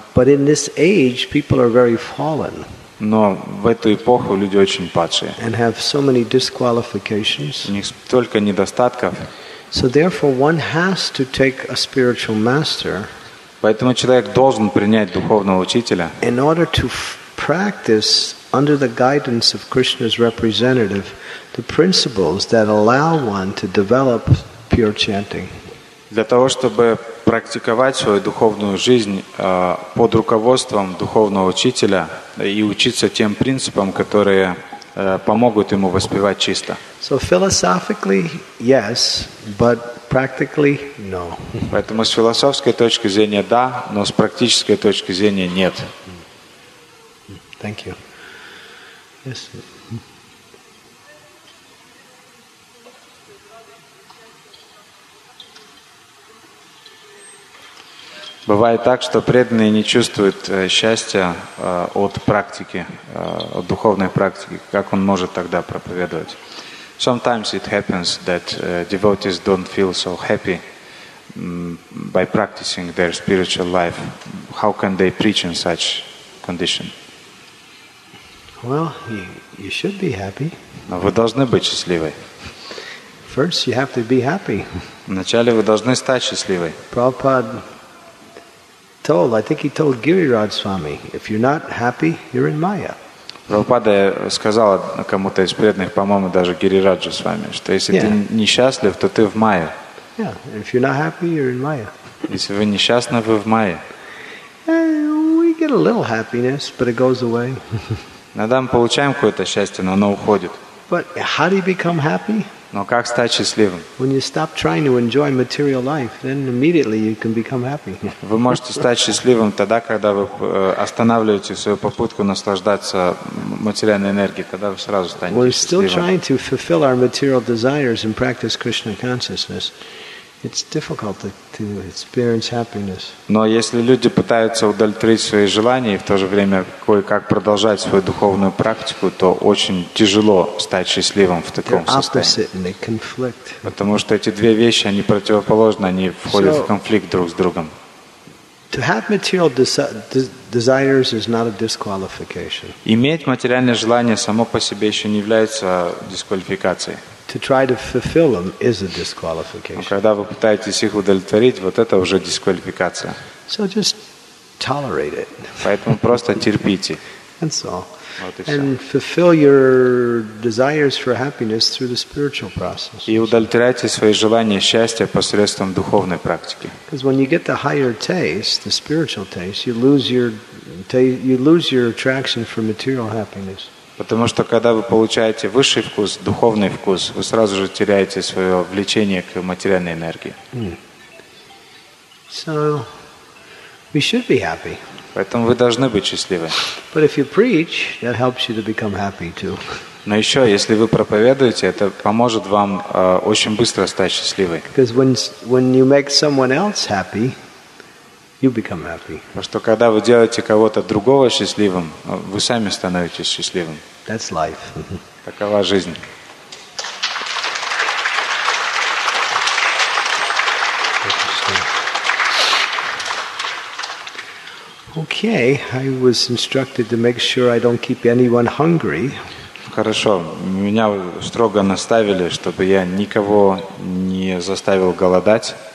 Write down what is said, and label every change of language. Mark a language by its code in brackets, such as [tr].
[en] But in this age, people are very fallen. [ru] Но в эту эпоху люди очень падшие. [en] And have so many disqualifications. [ru] У них столько недостатков. [en] So therefore, one has to take a spiritual master. [ru] Поэтому человек должен принять духовного учителя. [en] In order to practice under the guidance of Krishna's representative, the principles that allow one to develop pure chanting. [ru] Для того, чтобы практиковать свою духовную жизнь под руководством духовного учителя и учиться тем принципам, которые помогут ему воспевать чисто. [en] So philosophically, yes, but practically, no. [ru] Поэтому с философской точки зрения да, но с практической точки зрения нет. [en] Thank you. Yes. [ru] Бывает так, что преданные не чувствуют счастья от практики, от духовной практики. Как он может тогда проповедовать? [en] Sometimes it happens that devotees don't feel so happy by practicing their spiritual life. How can they preach in such condition? Well, you should be happy. [ru] Но вы должны быть счастливы. [en] First, you have to be happy. [ru] Вначале вы должны стать счастливой. [en] Prabhupada told, I think he told Giriraj Swami, if you're not happy, you're in Maya. [ru] Прабхупада сказал кому-то из преданных, по-моему, даже Гирираджу Свами, что если ты несчастлив, то ты в Майе. [en] Yeah, if you're not happy, you're in Maya. [ru] Если вы несчастны, вы в Майе. [en] We get a little happiness, but it goes away. [ru] Иногда мы получаем какое-то счастье, но оно уходит. [en] But how do you become happy? [ru] Но как стать счастливым? [en] When you stop trying to enjoy material life, then immediately you can become happy. [ru] Вы можете стать счастливым тогда, когда вы останавливаете свою попытку наслаждаться материальной энергией, тогда вы сразу станете счастливым. [en] We're still trying to fulfill our material desires and practice Krishna consciousness. It's difficult to experience happiness. [ru] Но если люди пытаются удовлетворить свои желания и в то же время кое-как продолжать свою духовную практику, то очень тяжело стать счастливым в таком состоянии. Потому что эти две вещи, они противоположны, они входят в конфликт друг с другом. [en] To have material desires is not a disqualification. [ru] Иметь материальное желание само по себе еще не является дисквалификацией. [en] To try to fulfill them is a disqualification. [ru] Когда вы пытаетесь их удовлетворить, вот это уже дисквалификация. [en] So just tolerate it. [ru] Поэтому просто терпите. [en] And so. And fulfill your desires for happiness through the spiritual process. [ru] И удовлетворяйте свои желания счастья посредством духовной практики. [en] Because when you get the higher taste, the spiritual taste, you lose your attraction for material happiness. [ru] Потому что когда вы получаете высший вкус, духовный вкус, вы сразу же теряете свое влечение к материальной энергии. [en] So we should be happy. [ru] Поэтому вы должны быть счастливы. [en] But if you preach, that helps you to become happy too. [ru] Но еще, если вы проповедуете, это поможет вам очень быстро стать счастливой. [en] Because when you make someone else happy, you become happy. [ru] Потому что когда вы делаете кого-то другого счастливым, вы сами становитесь счастливым. [en] That's life. [ru] Такова жизнь. [en] Okay, I was instructed to make sure I don't keep anyone hungry. [ru] Хорошо, меня строго наставили, чтобы я никого не заставил голодать.